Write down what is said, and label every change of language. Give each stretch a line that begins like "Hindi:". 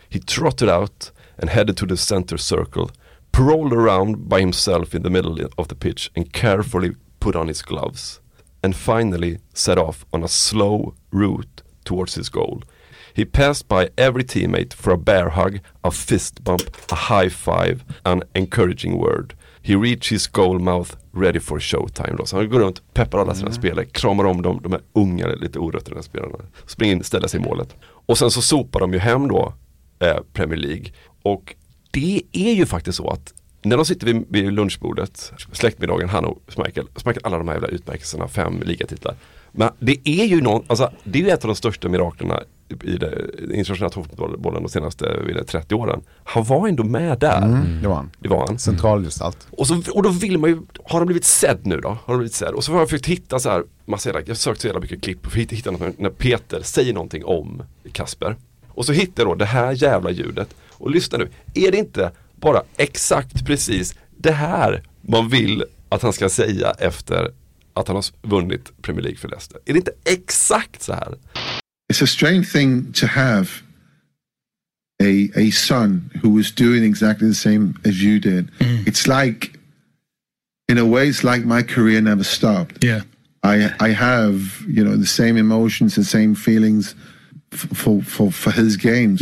English: He trotted out and headed to the center circle, paroled around by himself in the middle of the pitch and carefully put on his gloves and finally set off on a slow route towards his goal. He passed by every teammate for a bear hug, a fist bump, a high five, an encouraging word. He reached his goal mouth ready for showtime.
Swedish: Så han går runt, peppar alla sina spelare, kramar om dem, de är unga, lite orötterna spelarna. Springer in, ställer sig i målet. Och sen så sopar de ju hem då Premier League. Och det är ju faktiskt så att när de sitter vid lunchbordet, släktmiddagen, han och Schmeichel, alla de här jävla utmärkelserna, 5 ligatitlar. Men det är ju någon, alltså, det är ju ett av de största miraklerna i det internationella toppfotbollen de senaste 30 åren. Han var ändå med där. Mm. Det var han. Det var han. Centralgestalt. Och då vill man ju, har de blivit sedd nu då? Har de blivit sedd? Och så har jag försökt hitta så här, massa, jag har sökt så jävla mycket klipp och hitta något när Peter säger någonting om Kasper. Och så hittar jag då det här jävla ljudet. Och lyssna nu, är det inte bara exakt precis det här man vill att han ska säga efter att han har vunnit Premier League för Leicester? Är det inte exakt så här?
English: It's a strange thing to have a son who was doing exactly the same as you did. Mm. It's like, in a way, it's like my career never stopped. Yeah, I have, you know, the same emotions, the same feelings for his games.